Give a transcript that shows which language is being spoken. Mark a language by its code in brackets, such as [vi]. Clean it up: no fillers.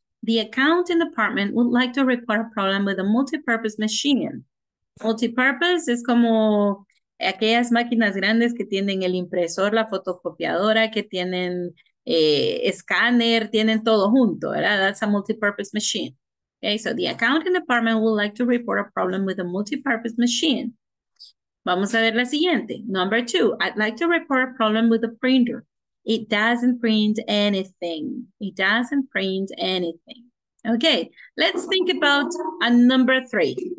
[en] The accounting department would like to report a problem with a multipurpose machine. [es] Multipurpose es como aquellas máquinas grandes que tienen el impresor, la fotocopiadora, que tienen escáner, tienen todo junto, ¿verdad? [en] That's a multipurpose machine. Okay, so the accounting department would like to report a problem with a multipurpose machine. [es] Vamos a ver la siguiente. [en] Number two, I'd like to report a problem with a printer. It doesn't print anything. It doesn't print anything. Okay, let's think about a number three.